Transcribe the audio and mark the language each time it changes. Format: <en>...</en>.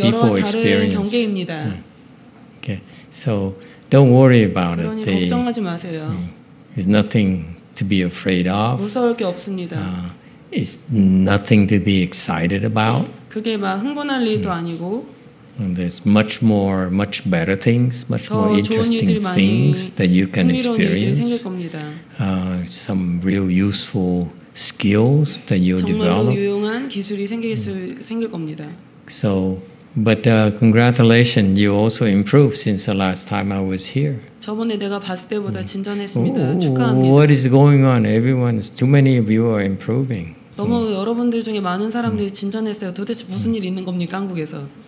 <en>people experience.</en> <ko>다른 경계입니다.</ko> <en>Okay. So don't worry about it.</en> <ko>그러니 걱정하지 마세요.</ko> <en>It's nothing to be afraid of.</en> <ko>무서울 게 없습니다.</ko> <en>It's nothing to be excited about.</en> <ko>그게 막 흥분할 일도 아니고.</ko> <en>And there's much more, much better things, much more interesting things that you can experience. Some real useful skills that you develop.</en> <ko>유용한 기술이 생길 겁니다.</ko> <en>So, but congratulations, you also improved since the last time I was here.</en> <ko>저번에 내가 봤을 때보다 진전했습니다. 축하합니다.</ko> <en>What is going on? Everyone, too many of you are improving.</en> <ko>너무 여러분들 중에 많은 사람들이 진전했어요. 도대체 무슨 일 있는 겁니까 한국에서?</ko>